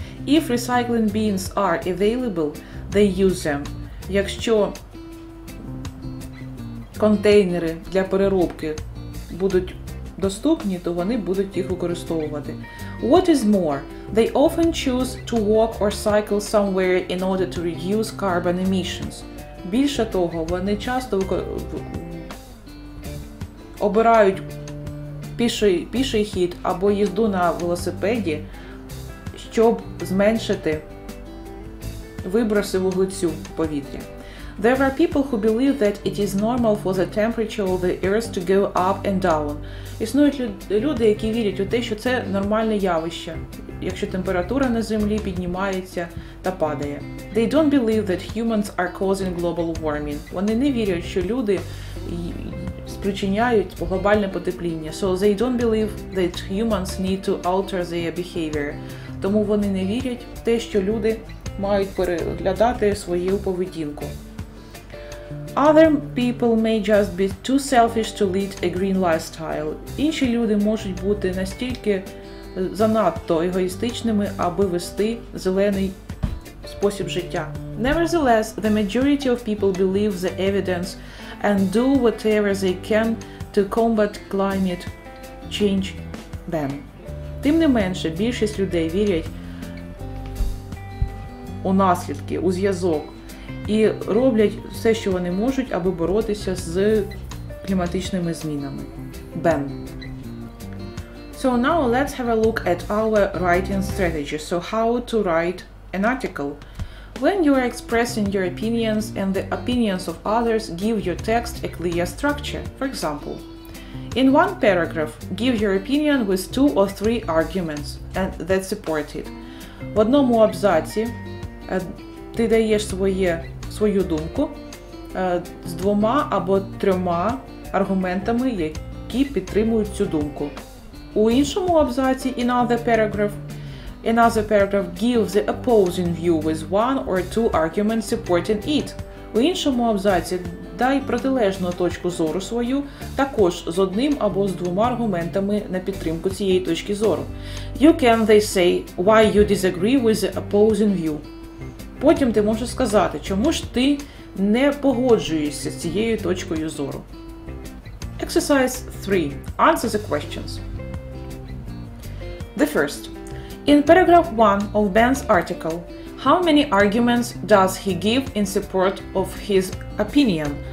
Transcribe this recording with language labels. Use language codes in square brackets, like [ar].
[en] If recycling bins are available, they use them. [uk] Якщо контейнери для переробки будуть доступні, то вони будуть їх використовувати. [en] What is more, they often choose to walk or cycle somewhere in order to reduce carbon emissions. [uk] Більше того, вони часто обирають піший хід або їзду на велосипеді, щоб зменшити виброси вуглецю в повітря. [en] There are people who believe that it is normal for the temperature of the earth to go up and down. [uk] Існують люди, які вірять у те, що це нормальне явище, якщо температура на землі піднімається та падає. [en] They don't believe that humans are causing global warming. [uk] Вони не вірять, що люди спричиняють глобальне потепління. [en] So they don't believe that humans need to alter their behavior. [uk] Тому вони не вірять в те, що люди мають переглядати свою поведінку. [en] Other people may just be too selfish to lead a green lifestyle. [uk] Інші люди можуть бути настільки занадто егоїстичними, аби вести зелений спосіб життя. [en] Nevertheless, the majority of people believe the evidence and do whatever they can to combat climate change them. [uk] Тим не менше, більшість людей вірять у наслідки, у зв'язок. І роблять все, що вони можуть, аби боротися з кліматичними змінами. Бен. [en] So now let's have a look at our writing strategy. So how to write an article. When you are expressing your opinions and the opinions of others, give your text a clear structure. For example, in one paragraph, give your opinion with two or three arguments and that support it. [uk] В одному абзаці ти даєш свою думку з двома або трьома аргументами, які підтримують цю думку. У іншому абзаці, [en] in other paragraph, Another paragraph gives the opposing view with one or two arguments supporting it. [uk] У іншому абзаці дай протилежну точку зору свою також з одним або з двома аргументами на підтримку цієї точки зору. [en] You can, they say, why you disagree with the opposing view. [uk] Потім ти можеш сказати, чому ж ти не погоджуєшся з цією точкою зору. [en] Exercise 3. Answer the questions. The first. In paragraph 1 of Ben's article, how many arguments does he give in support of his opinion?